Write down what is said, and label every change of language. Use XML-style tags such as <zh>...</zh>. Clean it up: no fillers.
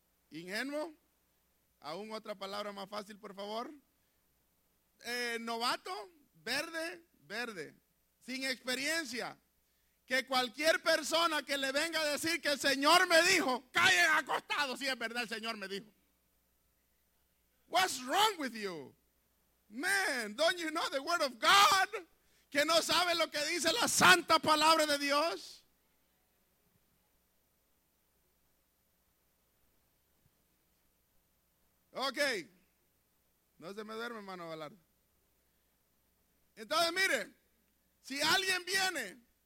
<es>Ingenuo. Aún otra palabra más fácil, por favor. Novato. Verde. Sin experiencia. Que cualquier persona que le venga a decir que el Señor me dijo, cae acostado si es verdad el Señor me dijo.</es> <en>What's wrong with you? Man, don't you know the word of God?</en> <es>Que no sabe lo que dice la santa palabra de Dios. Ok. No se me duerme, hermano Valardo. Entonces, mire, si alguien viene.</es>